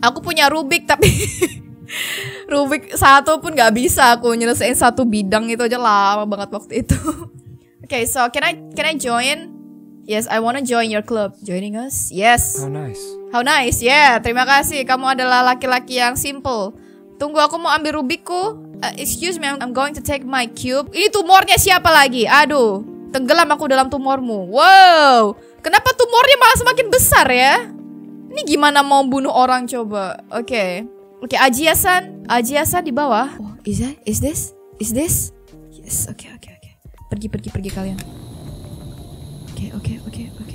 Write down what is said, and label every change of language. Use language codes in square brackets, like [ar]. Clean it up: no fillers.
[id] Aku punya Rubik tapi Rubik satu pun gak bisa aku nyelesain satu bidang itu aja, lama banget waktu itu. [en] Okay, so can I join? Yes, I wanna join your club. Joining us? Yes. How nice, yeah. [id] Terima kasih, kamu adalah laki-laki yang simple. Tunggu, aku mau ambil rubikku. [en] Excuse me, I'm going to take my cube. [id] Ini tumornya siapa lagi? Aduh, tenggelam aku dalam tumormu. Wow, kenapa tumornya malah semakin besar ya? Ini gimana mau bunuh orang coba? Okay, Ajia-san di bawah. [en] Oh, is this? Yes, okay. [id] Pergi kalian. [en] Okay.